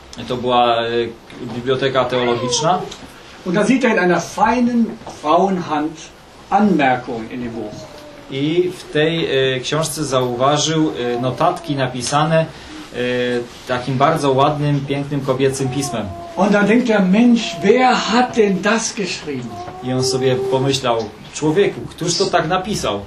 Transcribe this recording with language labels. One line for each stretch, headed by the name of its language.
Polish: To była biblioteka teologiczna.
German: Und da sieht er in einer feinen Frauenhand Anmerkung in dem Buch.
Polish: I w tej książce zauważył notatki napisane takim bardzo ładnym, pięknym, kobiecym pismem.
German: Und dann denkt der Mensch, wer hat denn das geschrieben?
Polish: I on sobie pomyślał, człowieku, któż to tak napisał?